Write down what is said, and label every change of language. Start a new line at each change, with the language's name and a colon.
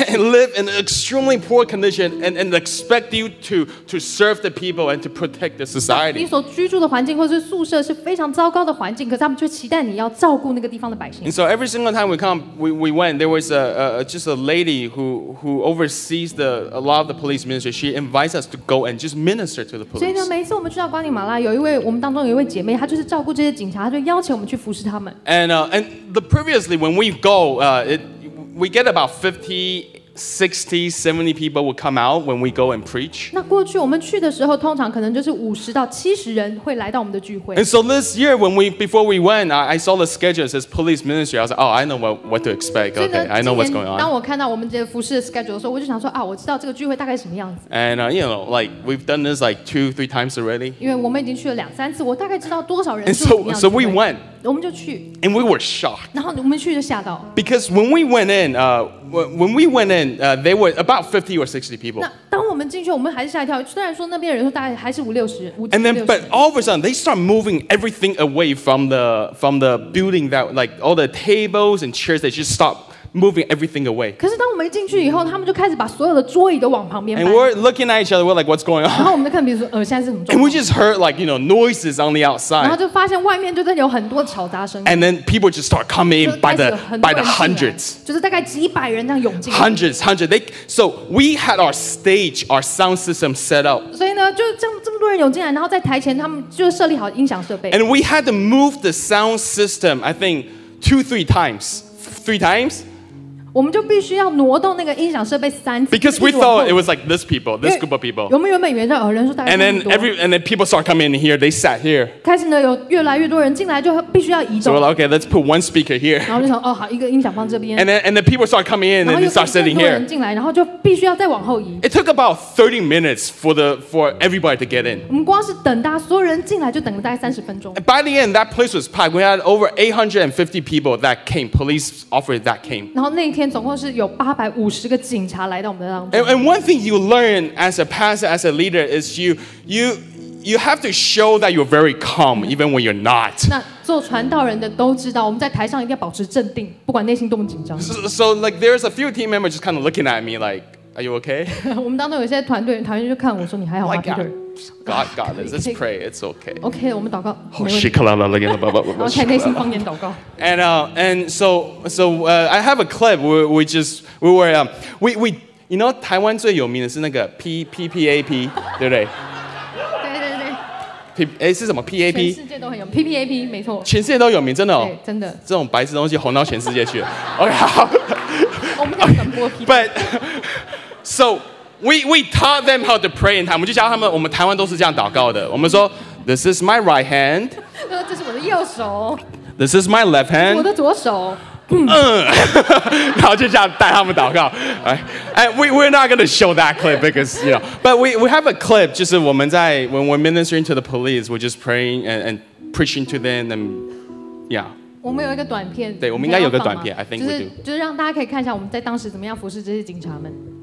English: And live in extremely poor condition and expect you to serve the people and to protect the society.
Chinese: 你所居住的环境或是宿舍是非常糟糕的环境，可是他们却期待你要照顾那个地方的百姓。
English: And so every single time we went, there was a lady who oversees a lot of the police ministry. She invites us to go and just minister to the police.
Chinese: 所以呢，每次我们去到瓜地马拉，有一位我们当中有一位姐妹，她就是照顾这些警察，她就邀请我们去服侍他们。
English: And the previously when we go, we get about 50. 60, 70 people would come out when we go and preach.
Chinese: 那过去我们去的时候，通常可能就是50到70人会来到我们的聚会。
English: And so this year, before we went, I saw the schedule. It says police ministry. I was like, oh, I know what to expect. Okay, I know what's going on.
Chinese: 当我看到我们这服事的 schedule 的时候，我就想说啊，我知道这个聚会大概什么样子。
English: And you know, like we've done this like 2-3 times already.
Chinese: 因为我们已经去了两三次，我大概知道多少人。
English: And so we went.
Chinese: 我们就去。
English: And we were shocked.
Chinese: 然后我们去就吓到。
English: Because when we went in, they were about 50 or 60 people.
Chinese: 那当我们进去，我们还是吓一跳。虽然说那边的人数大概还是五六十。
English: And then, but all of a sudden, they start moving everything away from the building that, like all the tables and chairs, they just stop moving everything away.
Chinese: 可是当我们进去以后，他们就开始把所有的桌椅都往旁边搬。
English: And we're looking at each other, we're like, what's going on?
Chinese: 然后我们就看彼此说，现在是什么状况？
English: And we just heard like, you know, noises on the outside.
Chinese: 然后就发现外面就在有很多吵杂声。
English: And then people just start coming by the hundreds.
Chinese: 就是大概几百人这样涌进。
English: Hundreds. So we had our stage, our sound system set up.
Chinese: 所以呢，就这么多人涌进来，然后在台前他们就设立好音响设备。
English: And we had to move the sound system, I think, 2-3 times. Three times?
Chinese: 我们就必须要挪动那个音响设备三次。
English: Because we thought it was like this people, this group of people.
Chinese: 我们原本以为是人数大概。
English: And then people start coming in here. They sat here.
Chinese: 开始呢，有越来越多人进来，就必须要移动。
English: So we're like, okay, let's put one speaker here.
Chinese: 然后就想，哦，好，一个音响放这边。
English: And then people start coming in and they start sitting here.
Chinese: 然后又更多人进来，然后就必须要再往后移。
English: It took about 30 minutes for everybody to get in.
Chinese: 我们光是等大家所有人进来，就等了大概三十分钟。
English: By the end, that place was packed. We had over 850 people that came. Police officers that came.
Chinese: 然后那天。总共是有八百五十个警察来到我们当中。
English: And one thing you learn as a pastor, as a leader, is you have to show that you're very calm, even when you're not.
Chinese: 那做传道人的都知道，我们在台上一定要保持镇定，不管内心多么紧张。
English: So like there's a few team members just kind of looking at me like, are you okay?
Chinese: 我们当中有些团队就看我说你还好吗 ，Peter？
English: God, let's pray. It's okay.
Chinese: Okay, 我们祷告。 Oh, shikala la la la la la la la. Okay, 内心方言祷告。
English: And so, I have a clip. We you know,
Chinese: 台湾最有名的是那个 PPAP, 对不对？是什么 PAP？全世界都很有 PPAP， 没错。全世界都有名，真的哦，对，真的。这种白痴东西红到全世界去了。 OK， 好。我们在传播 PPAP。
English: But so. We taught them how to pray in Taiwan.
Chinese: 我们就教他们，我们台湾都是这样祷告的。我们说 ，
English: This is my right hand.
Chinese: 这是我的右手。
English: This is my left hand.
Chinese: 我的左手。然后就这样带他们祷告。
English: We're not going to show that clip because you know, but we have a clip.
Chinese: 就是我们在
English: when we're ministering to the police, we're just praying and preaching to them and yeah.
Chinese: 我们有一个短片。对，我们应该有个短片。
English: I think we do.
Chinese: 就是让大家可以看一下我们在当时怎么样服侍这些警察们。